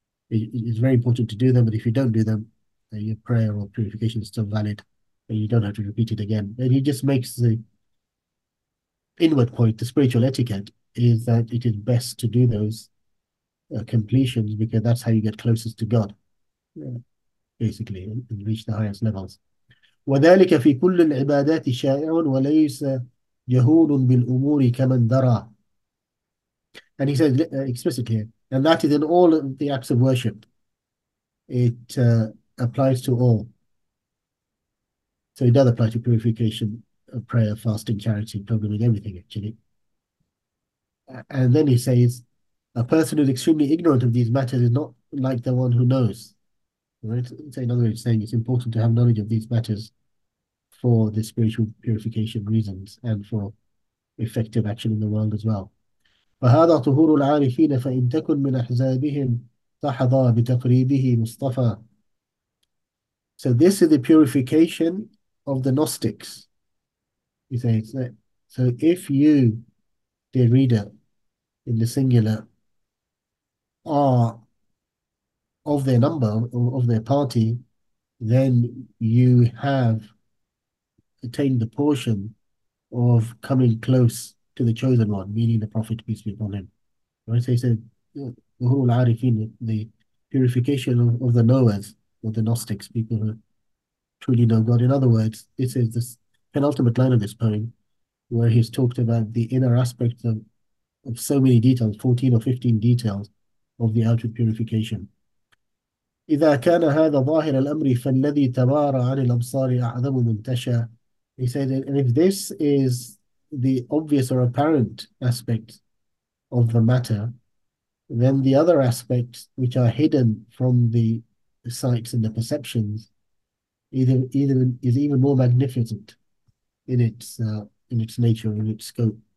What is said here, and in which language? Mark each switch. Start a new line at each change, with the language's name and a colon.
English: It's very important to do them, but if you don't do them, your prayer or purification is still valid and you don't have to repeat it again. And he just makes the inward point, the spiritual etiquette, is that it is best to do those completions because that's how you get closest to God, basically, and reach the highest levels.
Arabic: وذلك في كل العبادات شائع وليس جهول بالأمور كمن درى.
English: And he says explicitly, and that is in all of the acts of worship. It applies to all. So it does apply to purification, prayer, fasting, charity, pilgrimage, everything actually. And then he says, a person who is extremely ignorant of these matters is not like the one who knows. Right? So in other words, saying it's important to have knowledge of these matters for the spiritual purification reasons and for effective action in the world as well.
Arabic: فهذا طهور العارفين فإن تكن من أحزابهم تحظى بتقريبه مصطفى.
English: So this is the purification of the Gnostics. You say, so if you, dear reader, in the singular, are of their number, of their party, then you have attained the portion of coming close to the chosen one, meaning the Prophet, peace be upon him. Right? So he said, Uhul Arifin, the purification of the knowers, or the Gnostics, people who truly know God. In other words, this is this penultimate line of this poem, where he's talked about the inner aspects of so many details, 14 or 15 details of the outward purification.
Arabic: إذا كان هذا ظاهر الأمر فالذي تبارى عن الأبصار أعظم منتشى.
English: He said, and if this is the obvious or apparent aspect of the matter, then the other aspects which are hidden from the sights and the perceptions is even more magnificent in its nature, in its scope.